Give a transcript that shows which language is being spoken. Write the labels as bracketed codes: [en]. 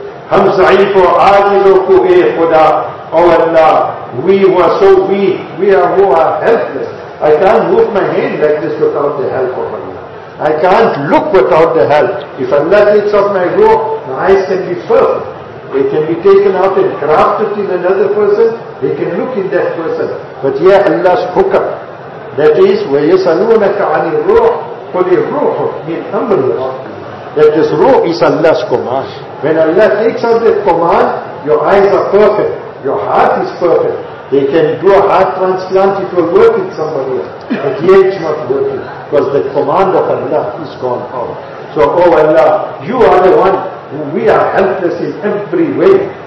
[ur] Hum za'ifu aajizu ku ay khuda. [en] Oh Allah, we who are so weak, we are who are helpless. I can't move my hand like this without the help of Allah. I can't look without the help. If Allah takes off my rope, my eyes can be firm. They can be taken out and grafted in another person. They can look in that person. But here Allah's hookup. That is, [ar] وَيَسَلُونَكَ عَنِ الْرُوحِ قُلِ الْرُوحُ مِنْ أَمْرِ رَبِّ. [en] That this rope is Allah's command. When Allah takes out that command, your eyes are perfect. Your heart is perfect. They can do a heart transplant, it will work in somebody else. But here it's not working. Because the command of Allah is gone out. So, oh Allah, you are the one who we are helpless in every way.